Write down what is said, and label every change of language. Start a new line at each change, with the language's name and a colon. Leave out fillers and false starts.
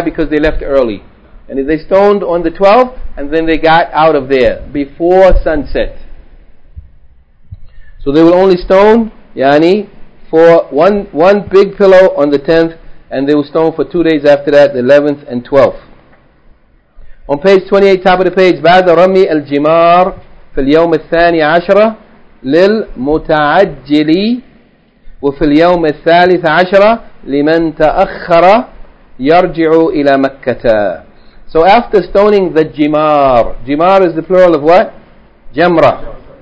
English: Because they left early. And if they stoned on the 12th, and then they got out of there before sunset. So they will only stone, yani, for one big pillow on the 10th, and they will stone for 2 days after that, the 11th and 12th. On page 28, top of the page,
Arabic: بعد رمي الجمار في اليوم الثاني عشرة للمتعجلي وفي اليوم الثالث عشرة لمن تأخر يرجع إلى مكة.
English: So after stoning the jimar, jimar is the plural of what? Jamra.